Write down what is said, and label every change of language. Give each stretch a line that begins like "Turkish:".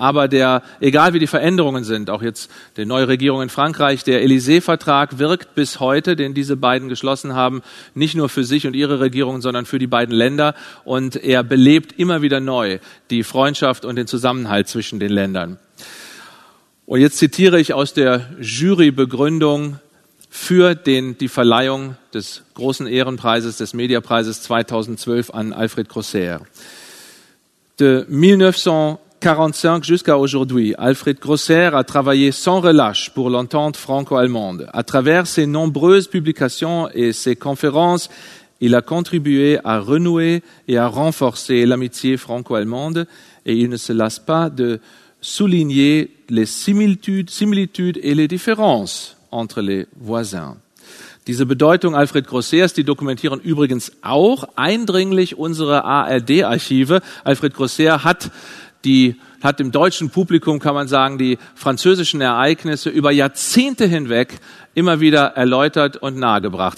German: Aber egal wie die Veränderungen sind, auch jetzt die neue Regierung in Frankreich, der Élysée-Vertrag wirkt bis heute, den diese beiden geschlossen haben, nicht nur für sich und ihre Regierung, sondern für die beiden Länder, und er belebt immer wieder neu die Freundschaft und den Zusammenhalt zwischen den Ländern. Und jetzt zitiere ich aus der Jurybegründung für die Verleihung des großen Ehrenpreises, des Mediapreises 2012 an Alfred Grosseur.
French: De 1945 jusqu'à aujourd'hui, Alfred Grosseur a travaillé sans relâche pour l'entente franco-allemande. À travers ses nombreuses publications et ses conférences, il a contribué à renouer et à renforcer l'amitié franco-allemande, et il ne se lasse pas de souligner les similitudes et les différences entre les voisins.
German: Diese Bedeutung Alfred Grosseurs, die dokumentieren übrigens auch eindringlich unsere ARD-Archive. Alfred Grosseur hat dem deutschen Publikum, kann man sagen, die französischen Ereignisse über Jahrzehnte hinweg immer wieder erläutert und nahegebracht.